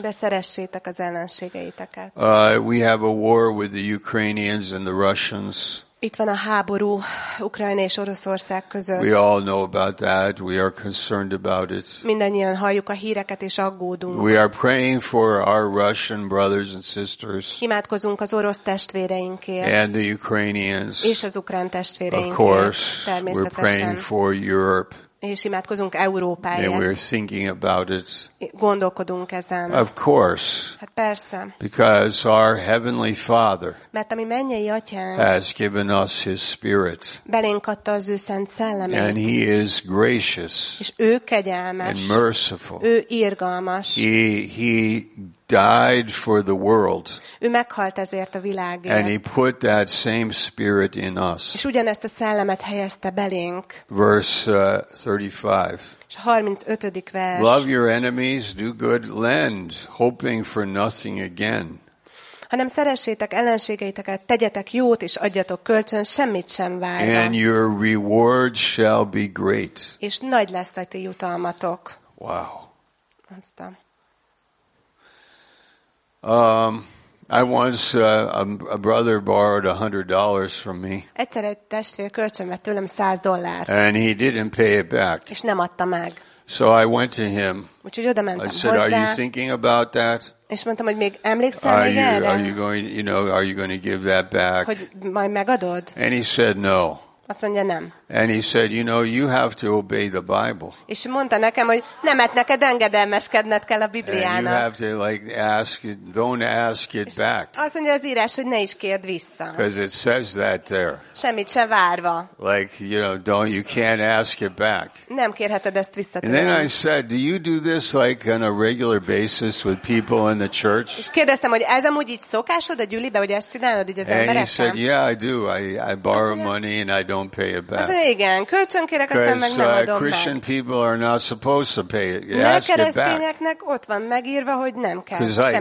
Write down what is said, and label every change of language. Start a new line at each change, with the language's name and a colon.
Hungarian: De szeressétek az ellenségeiteket.
English: We have a war with the Ukrainians and the Russians.
Hungarian: Itt van a háború Ukrajna és Oroszország között.
English: We all know about that. We are concerned about it.
Hungarian: Mindannyian halljuk a híreket és aggódunk.
English: We are praying for our Russian brothers and sisters.
Hungarian: Imádkozunk az orosz testvéreinkért.
English: And the Ukrainians.
Hungarian: És az ukrán testvéreinkért.
English: Of course, we're praying for Europe.
Hungarian: És imádkozunk Európáért.
English: And we're thinking about it.
Hungarian: Gondolkodunk ezen.
English: Of course.
Hungarian: Hát persze.
English: Because our heavenly Father.
Hungarian: Mert a mi mennyei atyánk.
English: Has given us His Spirit.
Hungarian: Belénk adta az ő szent szellemét.
English: And He is gracious.
Hungarian: És ő kegyelmes.
English: And merciful.
Hungarian: Ő irgalmas.
English: He died for the world.
Hungarian: Ő meghalt ezért a világért.
English: And He put that same Spirit in us.
Hungarian: És ugyanezt a szellemet helyezte belénk.
English: Verse 35.
Hungarian: És a 35. vers.
English: Love your enemies, do good, lend, hoping for nothing again.
Hungarian: Hanem szeressétek ellenségeiteket, tegyetek jót és adjatok kölcsön, semmit sem várva.
English: And your reward shall be great.
Hungarian: És nagy lesz a ti jutalmatok.
English: Wow.
Hungarian: Aztán.
English: I once a brother borrowed $100 from me.
Hungarian: Egyszer egy testvér kölcsönvett tőlem $100.
English: And he didn't pay it back.
Hungarian: És nem adta meg.
English: So I went to him.
Hungarian: Úgyhogy odamentem hozzá.
English: I said,
Hungarian: hozzá.
English: Are you thinking about that?
Hungarian: És mondtam, hogy még emlékszel még erre?
English: Are you going to give that back?
Hungarian: Hogy majd megadod?
English: And he said no.
Hungarian: Azt mondja, nem.
English: And he said, you know, you have to obey the Bible.
Hungarian: És mondta nekem, hogy nem, hát neked engedelmeskedned kell a Bibliának.
English: You have to like ask it, don't ask it back.
Hungarian: Azt mondja az írás, hogy ne is kérd vissza.
English: Because it says that there.
Hungarian: Semmit se várva.
English: Like, you know, don't, you can't ask it back.
Hungarian: Nem kérheted ezt vissza.
English: And then I said, do you do this like on a regular basis with people in the church?
Hungarian: És kérdeztem, hogy ez amúgy így szokásod a gyülibe, hogy ezt csinálod így az emberekkel?
English: And he said, yeah, I do. I borrow money and I don't pay it back.
Hungarian: Azt mondja, igen, kölcsönkérek, aztán meg nem adom meg.
English: Christian people are not supposed to pay it.
Hungarian: Ne keresztényeknek ott van megírva, hogy nem kell, semmit se várva.